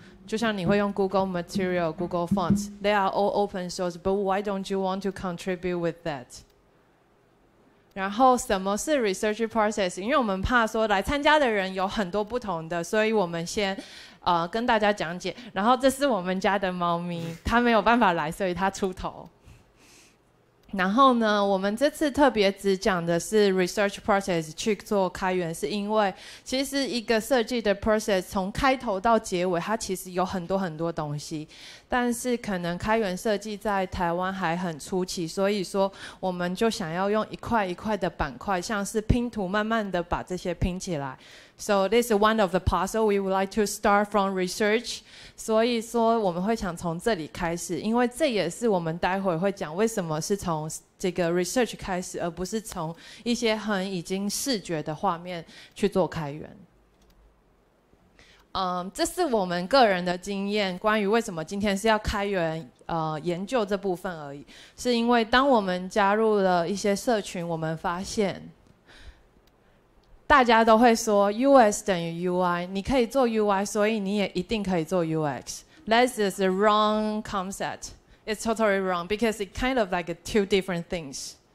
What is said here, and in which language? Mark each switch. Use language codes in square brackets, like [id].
[zh] 就像你会用 [en] Google Material、 Google Fonts， they are all open source， but why don't you want to contribute with that？ [zh] 然后什么是 research process？因为我们怕说来参加的人有很多不同的，所以我们先跟大家讲解。然后这是我们家的猫咪，它没有办法来，所以它出头。然后呢，我们这次特别只讲的是 research process 去做开源，是因为其实一个设计的 process 从开头到结尾，它其实有很多很多东西，但是可能开源设计在台湾还很初期，所以说我们就想要用一块一块的板块，像是拼图，慢慢的把这些拼起来。 [en] So this is one of the puzzle we would like to start from research. [zh] 所以说我们会想从这里开始，因为这也是我们待会会讲为什么是从这个 research 开始，而不是从一些很已经视觉的画面去做开源。这是我们个人的经验，关于为什么今天是要开源研究这部分而已，是因为当我们加入了一些社群，我们发现大家都会说 US 等于 UI， 你可以做 UI， 所以你也一定可以做 UX。 [en] This is a wrong concept. It's totally wrong because it's kind of like two different things.